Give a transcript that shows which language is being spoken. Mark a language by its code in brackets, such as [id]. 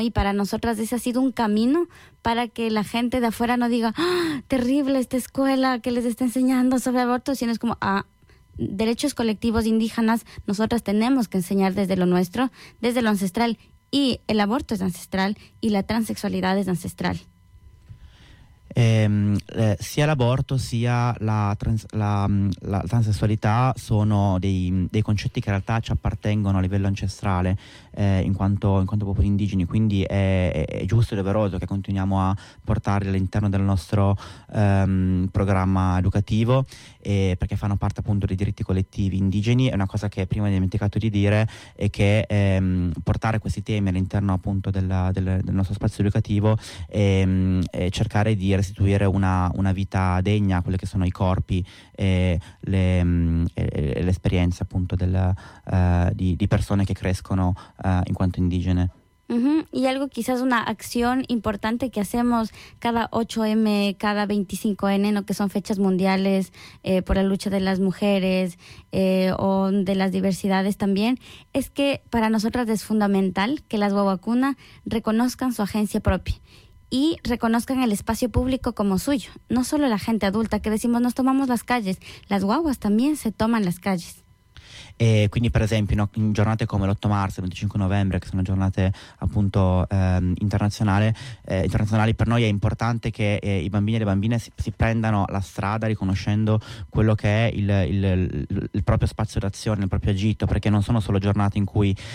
[es] Y para nosotras ese ha sido un camino para que la gente de afuera no diga ¡ah, terrible esta escuela que les está enseñando sobre aborto! Sino es como derechos colectivos indígenas, nosotras tenemos que enseñar desde lo nuestro, desde lo ancestral, y el aborto es ancestral y la transexualidad es ancestral. [it] Sia l'aborto sia la transessualità sono dei concetti che in realtà ci appartengono a livello ancestrale in quanto popoli indigeni, quindi è giusto e doveroso che continuiamo a portarli all'interno del nostro programma educativo, perché fanno parte appunto dei diritti collettivi indigeni. È una cosa che prima ho dimenticato di dire, è che portare questi temi all'interno appunto del nostro spazio educativo e cercare di restituire una vita degna a quelli che sono i corpi e l'esperienza appunto di persone che crescono in quanto indigene. [es] Y algo, quizás una acción importante que hacemos cada 8M, cada 25N, ¿no? Que son fechas mundiales por la lucha de las mujeres o de las diversidades también, es que para nosotras es fundamental que las Wawakuna reconozcan su agencia propia y reconozcan el espacio público como suyo. No solo la gente adulta, que decimos nos tomamos las calles, las guaguas también se toman las calles. [it] E quindi per esempio, no, in giornate come l'8 marzo, il 25 novembre, che sono giornate appunto internazionali, per noi è importante che i bambini e le bambine si prendano la strada riconoscendo quello che è il proprio spazio d'azione, il proprio agito, perché non sono solo giornate in cui